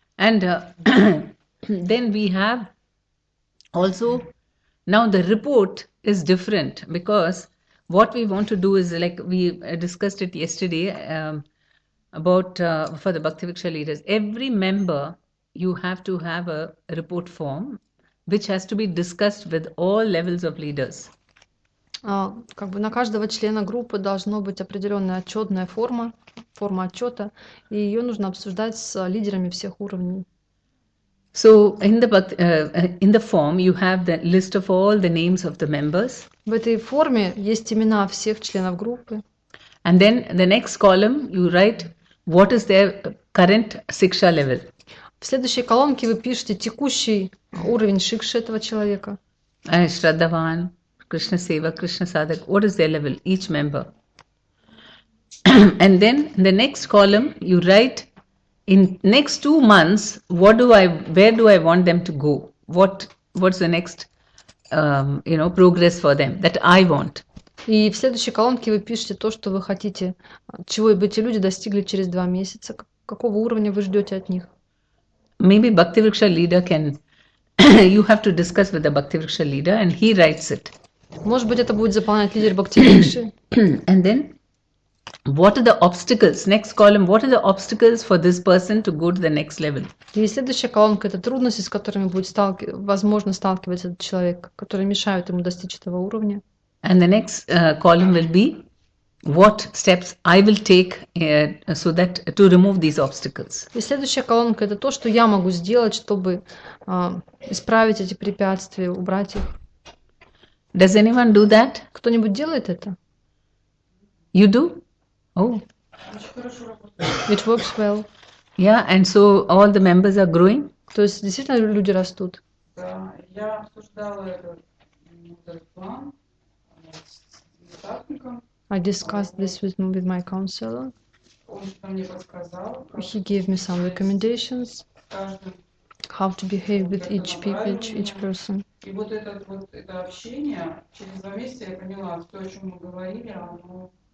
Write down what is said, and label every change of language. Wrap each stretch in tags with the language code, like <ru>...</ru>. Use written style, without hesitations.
<en>And then we have also now the report is different because what we want to do is like we discussed it yesterday about for the Bhakti Viksha leaders. Every member you have to have a report form which has to be discussed with all levels of leaders.</en> <ru>Как бы на каждого члена группы должна быть определенная отчетная форма, форма отчета, и ее нужно обсуждать с лидерами всех уровней.</ru> <en>So in the form you have the list of all the names of the members.</en> <ru>В этой форме есть имена всех членов группы.</ru> <en>And then the next column you write what is their current siksha level.</en> <ru>В следующей колонке вы пишете текущий уровень шикши этого человека.</ru> <en>Shraddhavan, Krishna Seva, Krishna Sadhak. What is their level, each member? And then in the next column you write in next 2 months, where do I want them to go? What's the next, you know, progress for them that I want?</en> <ru>И в следующей колонке вы пишете то, что вы хотите, чего бы эти люди достигли через 2 месяца, какого уровня вы ждете от них?</ru> <en>Maybe Bhakti Vriksha leader can. You have to discuss with the Bhakti Vriksha leader, and he writes it.</en> <ru>Может быть, это будет заполнять лидер Бхакти Врикши.</ru> <en>And then. What are the obstacles? Next column, what are the obstacles for this person to go to the next level?</en> <ru>И следующая колонка – это трудности, с которыми будет возможно сталкиваться этот человек, которые мешают ему достичь этого уровня.</ru> <en>And the next column will be what steps I will take so that to remove these obstacles.</en> <ru>И следующая колонка – это то, что я могу сделать, чтобы исправить эти препятствия, убрать их.</ru> <en>Does anyone do that?</en> <ru>Кто-нибудь делает это?</ru> <en>You do? Oh, it works well. Yeah, and so all the members are growing.</en> <ru>То есть действительно люди растут. Да, я обсуждала этот план с наставником.</ru> <en>I discussed this with my counselor.</en> <ru>Он что мне подсказал?</ru> <en>He gave me some recommendations. How to behave with each people, each person.</en> <ru>И вот этот вот это общение через 2 месяца я поняла, то о чем мы говорили, оно.</ru>